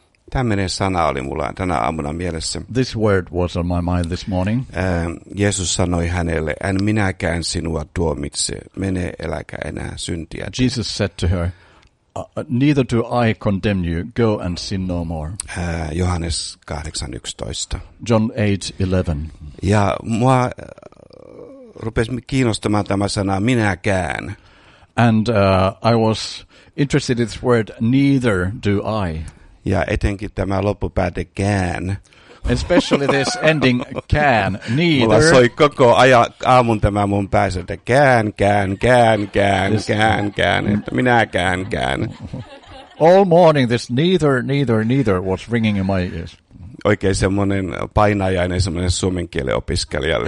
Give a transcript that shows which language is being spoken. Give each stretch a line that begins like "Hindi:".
Finnish: Tämmöinen sana oli mulla tänä aamuna mielessä.
English: This word was on my mind this morning.
Finnish: Jeesus sanoi hänelle, en minäkään sinua tuomitse, mene eläkä enää syntiä.
English: Jesus said to her, neither do I condemn you, go and sin no more.
Finnish: Johannes 8:11.
English: John 8:11.
Finnish: Ja mua rupesi kiinnostamaan tämä sana, minäkään.
English: And I was interested in this word, neither do I.
Finnish: Ja etenkin tämä loppupäätä can.
English: Especially this ending can, neither.
Finnish: Mulla soi koko aamun tämä mun päässä, että can, että minäkään.
English: All morning this neither was ringing in my ears.
Finnish: Oikein semmoinen painajainen, semmoinen suomen kielen opiskelijalle.